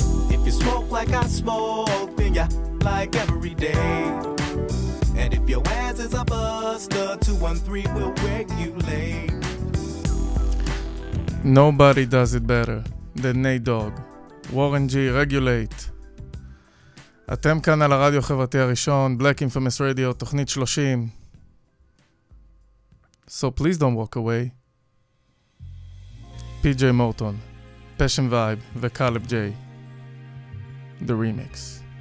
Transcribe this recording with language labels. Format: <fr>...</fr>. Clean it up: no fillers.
<en>If you smoke like I smoke, then you like every day. And if your ass is a buster, 213 will wake you late. Nobody does it better than Nate Dogg. Warren G, Regulate.</en> <he>אתם כאן על הרדיו החברתי הראשון, Black Infamous Radio, תוכנית 30.</he> <en>So please don't walk away. PJ Morton, Passion Vibe וקלב ג'יי. The remix.</en>